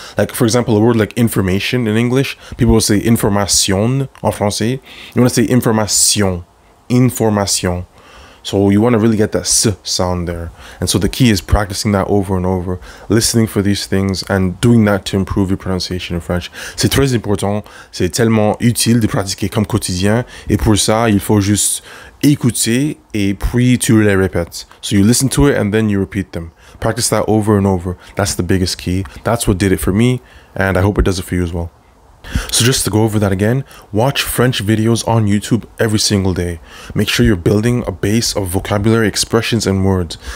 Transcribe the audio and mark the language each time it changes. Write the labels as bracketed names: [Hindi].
[English] Like for example, a word like information in English, people will say information en français. You want to say information, information. So you want to really get that S sound there. And so the key is practicing that over and over, listening for these things and doing that to improve your pronunciation in French. [French] C'est très important. C'est tellement utile de pratiquer comme quotidien. Et pour ça, il faut juste écouter et puis tu les répètes. [English] So you listen to it and then you repeat them. Practice that over and over. That's the biggest key. That's what did it for me. And I hope it does it for you as well. So just to go over that again, watch French videos on YouTube every single day. Make sure you're building a base of vocabulary, expressions, and words.